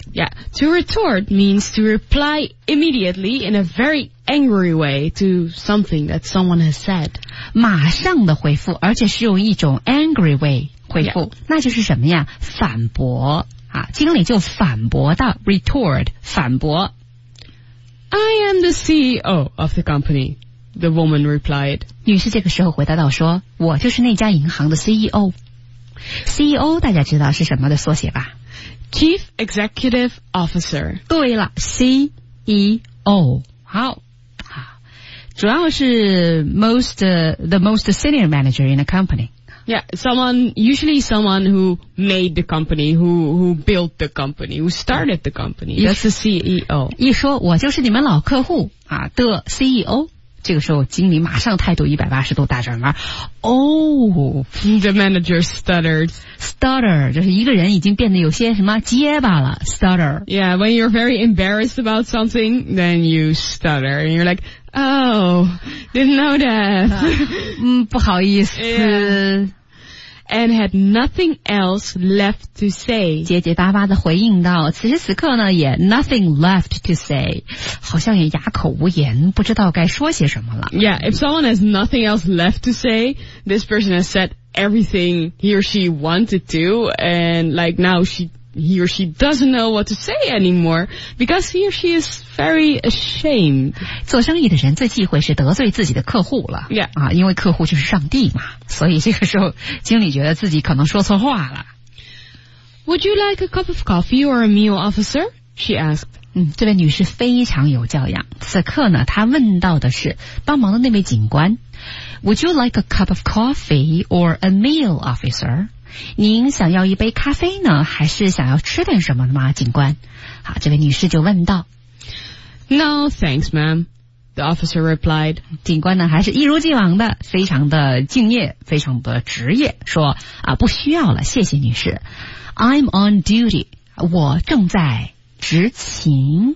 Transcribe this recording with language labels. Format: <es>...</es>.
<en>Yeah, to retort means to reply immediately in a very angry way to something that someone has said.</en> <zh>马上的回复而且是用一种</zh> <en>angry way</en> <zh>回复、yeah. 那就是什么呀反驳。啊、经理就反驳到 retort 反驳</zh> <en>I am the CEO of the company the woman replied</en> <zh>女士这个时候回答到说我就是那家银行的 CEO CEO 大家知道是什么的缩写吧</zh> <en>Chief Executive Officer</en> <zh>对了</zh> <en>CEO</en> <zh>好主要是</zh> <en>the most senior manager in a company Yeah, someone, usually someone who made the company, who built the company, who started the company. That's the CEO.</en> <zh>一说我就是你们老客户啊的 CEO。这个时候经理马上态度180度大转弯。</zh> <en>Oh, the manager stuttered.</en> <zh>Stutter, 就是一个人已经变得有些什么结巴了。Stutter.</zh> <en>Yeah, when you're very embarrassed about something, then you stutter. And you're like, oh, didn't know that.</en> <zh>不好意思。</zh> <en>And had nothing else left to say.</en> <zh>结结巴巴地回应到此时此刻呢也</zh> <en>nothing left to say.</en> <zh>好像也哑口无言不知道该说些什么了。</zh> <en>Yeah, if someone has nothing else left to say, this person has said everything he or she wanted to, and like now he or she doesn't know what to say anymore, because he or she is very ashamed.</en> <zh>做生意的人最忌讳是得罪自己的客户了。</zh> <en>Yeah.</en> <zh>啊，因为客户就是上帝嘛，所以这个时候经理觉得自己可能说错话了。</zh> <en>Would you like a cup of coffee or a meal, officer? She asked.</en> <zh>这位女士非常有教养，此刻呢，她问到的是帮忙的那位警官。</zh> <en>Would you like a cup of coffee or a meal, officer?</en> <zh>您想要一杯咖啡呢还是想要吃点什么的吗警官好这位女士就问道</zh> <en>No thanks ma'am The officer replied</en> <zh>警官呢还是一如既往的非常的敬业非常的职业说啊，不需要了谢谢女士</zh> <en>I'm on duty</en> <zh>我正在执勤</zh>